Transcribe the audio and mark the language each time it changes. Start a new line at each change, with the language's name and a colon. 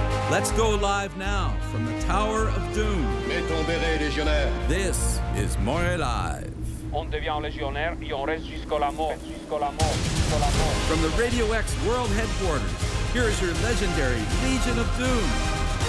English: Let's go live now from the Tower of Doom.
French: Mets ton béret, légionnaire.
English: This is Morey Live.
French: On devient légionnaire et on reste jusqu'à la mort. Jusqu'à la mort.
English: From the Radio X World Headquarters, here is your legendary Legion of Doom.